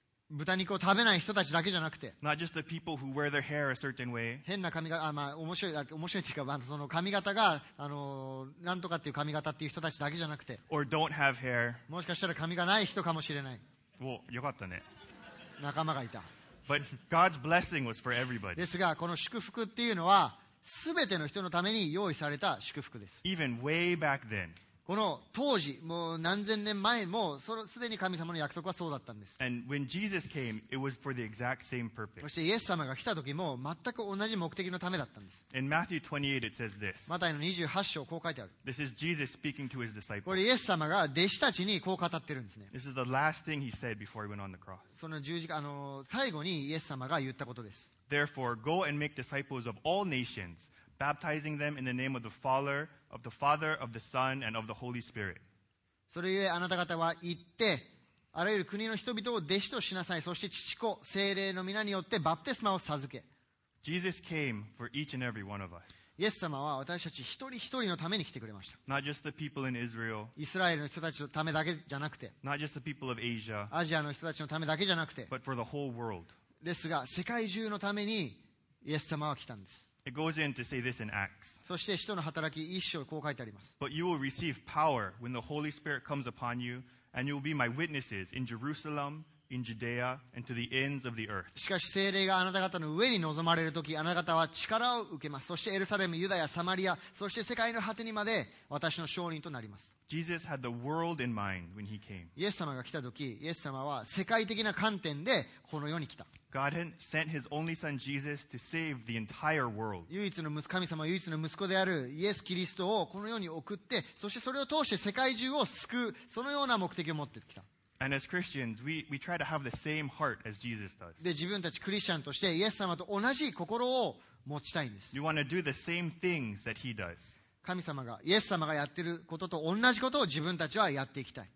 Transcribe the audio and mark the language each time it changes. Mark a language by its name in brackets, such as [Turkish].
[Japanese] 豚肉を食べない人たちだけじゃなくて。 [English] Not just the people who wear their hair a certain way. [Japanese] 変な髪型、面白いっていうか、その髪型が、なんとかっていう髪型っていう人たちだけじゃなくて。 [English] Or don't have hair. [Japanese] もしかしたら髪がない人かもしれない。お、よかったね。仲間がいた。 [English] But God's blessing was for everybody. [Japanese] ですが、この祝福っていうのは、すべての人のために用意された祝福です。 [English] Even way back then. [Japanese] この当時、もう何千年前もすでに神様の約束はそうだったんです。 [English] And when Jesus came, it was for the exact same purpose. [Japanese] そしてイエス様が来た時も全く同じ目的のためだったんです。 [English] In Matthew 28, it says this. [Japanese] マタイの28章こう書いてある。 [English] This is Jesus speaking to his disciples. [Japanese] これイエス様が弟子たちにこう語ってるんですね。 [English] This is the last thing he said before he went on the cross. [Japanese] その十字架、最後にイエス様が言ったことです。 [English] Therefore, go and make disciples of all nations. Baptizing them in the name of the Father, of the Father, of the Son, and of the Holy Spirit. [Japanese] それゆえあなた方は行って、あらゆる国の人々を弟子としなさい。そして父子、聖霊の皆によってバプテスマを授け。 [English] Jesus came for each and every one of us. [Japanese] イエス様は私たち一人一人のために来てくれました。 [English] Not just the people in Israel. [Japanese] イスラエルの人たちのためだけじゃなくて。 [English] Not just the people of Asia. [Japanese] アジアの人たちのためだけじゃなくて。 [English] But for the whole world. [Japanese] ですが世界中のためにイエス様は来たんです。 [English] It goes in to say this in Acts. [Japanese] そして使徒の働き一章こう書いてあります。 [English] But you will receive power when the Holy Spirit comes upon you, and you will be my witnesses in Jerusalem, in Judea, and to the ends of the earth. [Japanese] しかし聖霊があなた方の上に臨まれるとき、あなた方は力を受けます。そしてエルサレム、ユダヤ、サマリア、そして世界の果てにまで私の証人となります。 [English] Jesus had the world in mind when he came. [Japanese] イエス様が来たとき、イエス様は世界的な観点でこの世に来た。 [English] God had sent His only Son Jesus to save the entire world. [Japanese] 唯一の息子、神様唯一の息子であるイエス・キリストをこの世に送って、そしてそれを通して世界中を救う、そのような目的を持ってきた。 [English] And as Christians, we try to have the same heart as Jesus does. [Japanese] で、自分たちクリスチャンとしてイエス様と同じ心を持ちたいんです。 [English] You want to do the same things that He does. [Japanese] 神様がイエス様がやっていることと同じことを自分たちはやっていきたい。